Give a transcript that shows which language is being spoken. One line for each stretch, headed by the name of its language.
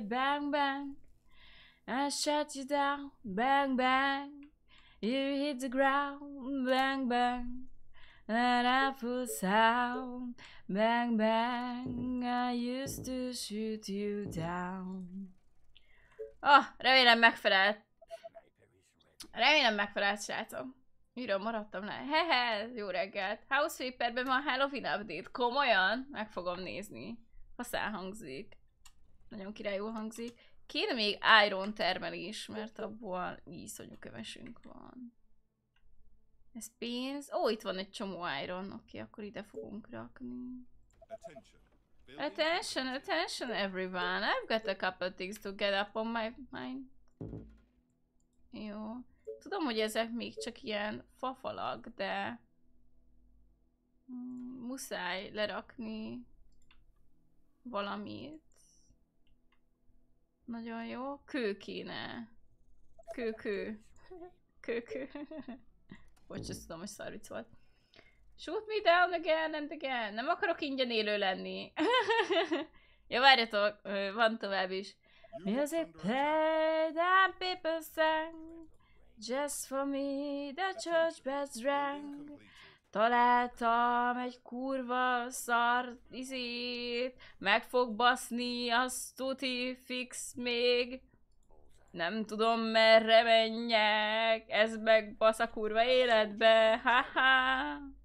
English: Bang, bang, I shut you down. Bang, bang, you hit the ground. Bang, bang, that awful sound. Bang, bang, I used to shoot you down.
Hungarian: Oh, remélem megfelelt. Remélem megfelelt, srácom. Miről maradtam le? Hehe, jó reggelt. House Flipperben van Halloween update. Komolyan? Meg fogom nézni. Faszán hangzik. Nagyon királyul hangzik. Kéne még iron termelés, mert abból iszonyú kövesünk van. Ez pénz. Ó, itt van egy csomó iron. Oké, akkor ide fogunk rakni.
English: Attention, attention everyone, I've got a couple of things to get up on my mind.
Hungarian: Jó. Tudom, hogy ezek még csak ilyen fafalak, de... muszáj lerakni... valamit. Nagyon jó. Kő kéne. Kő. Bocs, azt tudom, hogy szarvic volt.
English: Shoot me down again and again.
Hungarian: Nem akarok ingyen élő lenni. Ja, várjatok, van tovább is.
English: Music played and people sang. Just for me the church bells rang.
Hungarian: Találtam egy kurva szar izét. Meg fog baszni, azt tuti fix még. Nem tudom merre menjek. Ez meg basz a kurva életbe. Haha.